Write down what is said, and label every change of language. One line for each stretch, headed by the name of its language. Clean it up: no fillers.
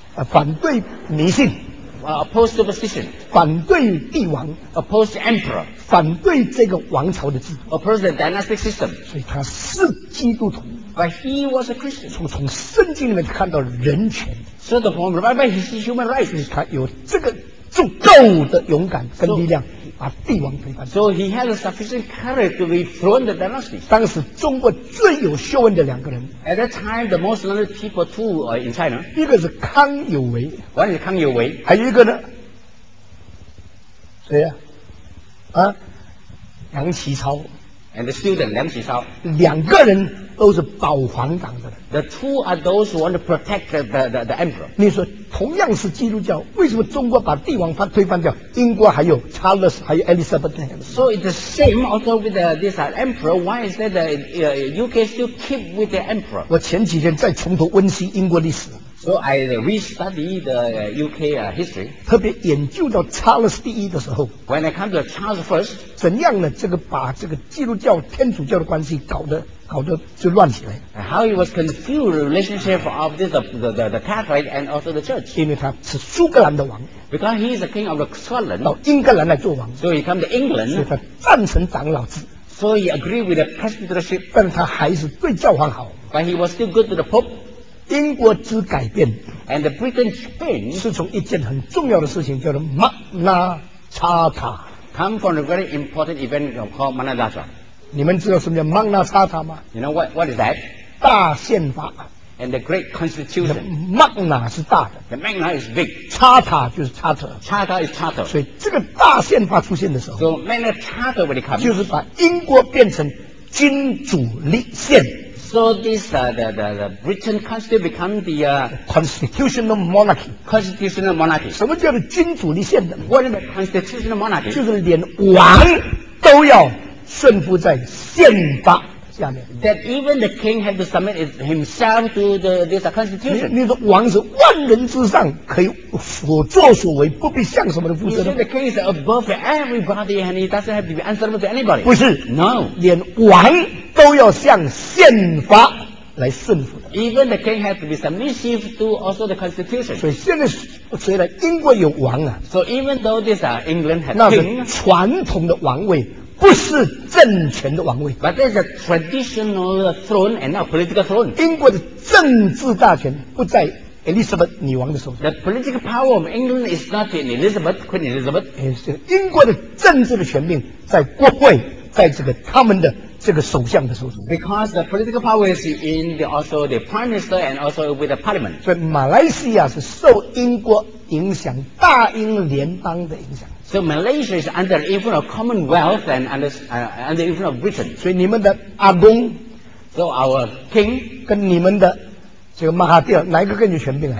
Chinese: 反对迷信
English: Opposed superstition
Chinese: 反对帝王
English: Opposed emperor
Chinese: 反对这个王朝的制度
English: Opposed the dynastic system
Chinese: 所以他是基督徒
English: But he was a Christian
Chinese: 从圣经里面看到人权
English: So the form of life is human rights
Chinese: 所以他有这个足够的勇敢跟力量把帝王推翻。
English: So he had a sufficient courage to rethrone the dynasty.
Chinese: 当时中国最有学问的两个人。
English: At that time, the most learned people too in China.
Chinese: 一个是康有为。
English: One is 康有为。
Chinese: 还有一个呢？谁呀？梁启超。
English: And the student 梁启超。
Chinese: 两个人都是保皇党的人。
English: The two are those who want to protect the emperor.
Chinese: 你说。同样是基督教，为什么中国把帝王翻推翻掉？英国还有 Charles， 还有 Elizabeth。
English: So it's the same also with this emperor. Why is that the UK still keep with the emperor？
Chinese: 我前几天再重读温习英国历史。
English: So I re-study the UK history.
Chinese: 特别研究到 Charles 第一的时候
English: ，When I come to Charles first，
Chinese: 怎样呢？这个把这个基督教、天主教的关系搞得就乱起来。
English: How he was confused the relationship of this the Catholic and also the Church.
Chinese: 因为他是苏格兰的王。
English: Because he is the king of Scotland.
Chinese: 到英格兰来做王。
English: So he came to England.
Chinese: 所以他赞成长老制。
English: So he agreed with the presbytership.
Chinese: 但他还是对教皇好。
English: But he was still good to the Pope.
Chinese: 英国之改变。
English: And the Britain change.
Chinese: 是从一件很重要的事情叫做 Magna Carta.
English: Come from a very important event called Magna Carta.
Chinese: 你们知道什么叫 Magna Carta 吗
English: ？You know what is that？
Chinese: 大宪法。
English: And the Great Constitution。
Chinese: Magna 是大的。
English: The Magna is big。
Chinese: Carta 就是 Charter。
English: Charter is Charter。
Chinese: 所以这个大宪法出现的时候
English: ，So Magna Carta when it comes，
Chinese: 就是把英国变成君主立宪。
English: So this the Britain Constitution become the constitutional monarchy. Constitutional monarchy。
Chinese: 什么叫做君主立宪的
English: ？What is constitutional monarchy？
Chinese: 就是连王都要。顺服在宪法下面。
English: That even the king had to submit himself to this constitution.
Chinese: 你说王是万人之上，可以所作所为，不必向什么人负责的。
English: You see, the king is above everybody, and he doesn't have to be answerable to anybody.
Chinese: 不是
English: ，No，
Chinese: 连王都要向宪法来顺服的。
English: Even the king had to be submissive to also the constitution.
Chinese: 所以现在虽然英国有王啊
English: ，So even though this England had king，
Chinese: 那是传统的王位。不是政权的王位
English: ，But there's a traditional throne and not political throne.
Chinese: 英国的政治大权不在 Elizabeth 女王的手上。
English: The political power of England is not in Elizabeth, Queen Elizabeth.
Chinese: 英国的政治的权柄在国会，在这个他们的这个首相的手中。
English: Because the political power is in the also the prime minister and also with the parliament.
Chinese: 所以马来西亚是受英国影响，大英联邦的影响。
English: So Malaysia is under the influence of Commonwealth and under the influence of Britain.
Chinese: 所以你们的阿公
English: ，So our king
Chinese: 跟你们的这个马哈蒂尔，哪一个更有权柄啊？